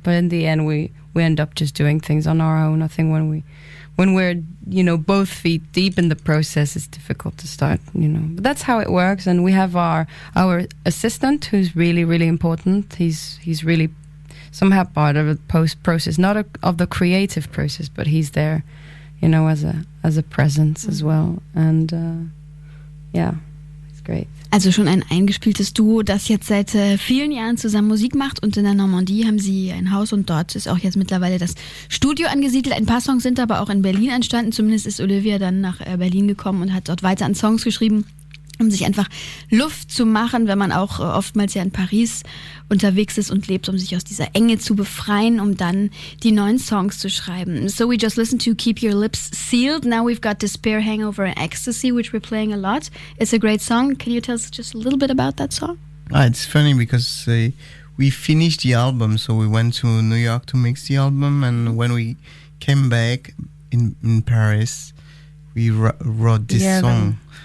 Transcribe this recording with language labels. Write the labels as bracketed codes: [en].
[en] But in the end, we end up just doing things on our own. I think when we're, you know, both feet deep in the process, it's difficult to start, you know. But that's how it works. And we have our assistant, who's really, really important. He's really somehow part of the post-process, not of the creative process, but he's there, you know, as a presence mm-hmm. as well. And, it's great. [de] Also schon ein eingespieltes Duo, das jetzt seit vielen Jahren zusammen Musik macht. Und in der Normandie haben sie ein Haus und dort ist auch jetzt mittlerweile das Studio angesiedelt. Ein paar Songs sind aber auch in Berlin entstanden. Zumindest ist Olivia dann nach Berlin gekommen und hat dort weiter an Songs geschrieben. um sich einfach Luft zu machen, wenn man auch oftmals ja in Paris unterwegs ist und lebt, um sich aus dieser Enge zu befreien, um dann die neuen Songs zu schreiben. [en] So we just listened to Keep Your Lips Sealed. Now we've got Despair, Hangover and Ecstasy, which we're playing a lot. It's a great song. Can you tell us just a little bit about that song? It's funny because we finished the album, so we went to New York to mix the album, and when we came back in Paris, we wrote this song.